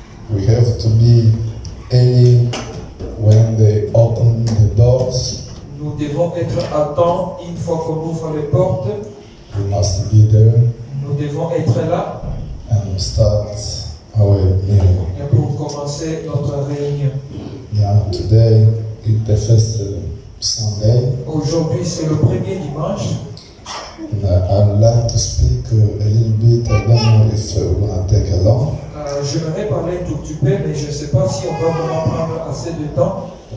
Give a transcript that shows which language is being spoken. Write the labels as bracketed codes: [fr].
[en] We have to be any when they open the doors. [fr] Nous devons être à temps une fois qu'on ouvre les portes. [en] We must be there. [fr] Nous devons être là. [en] And start our meeting. [fr] Et pour commencer notre réunion. [en] Yeah, today is the first Sunday. [fr] Aujourd'hui c'est le premier dimanche. [en] And I'd like to speak a little bit. I don't know if we're going to take a long. [fr] J'aimerais parler tout petit peu, mais je ne sais pas si on va vraiment prendre assez de temps.